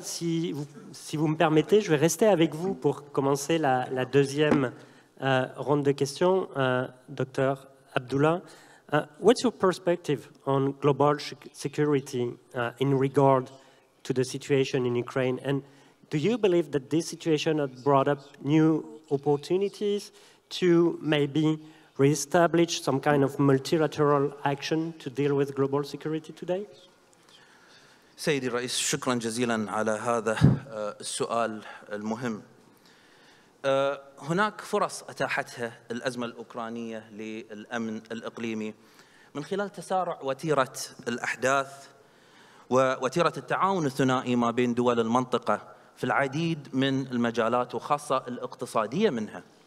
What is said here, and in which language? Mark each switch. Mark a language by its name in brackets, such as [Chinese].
[French] Si vous me permettez, je vais rester avec vous pour commencer la deuxième round de questions, Dr. Abdullah. [English] What's your perspective on global security in regard to the situation in Ukraine? And do you believe that this situation has brought up new opportunities to maybe reestablish some kind of multilateral action to deal with global security today? [Arabic] سيدي الرئيس، شكرا جزيلا على هذا السؤال المهم. هناك فرص أتاحتها الأزمة الأوكرانية للأمن الإقليمي من خلال تسارع وتيرة الأحداث ووتيرة التعاون الثنائي ما بين دول المنطقة في العديد من المجالات وخاصة الاقتصادية منها.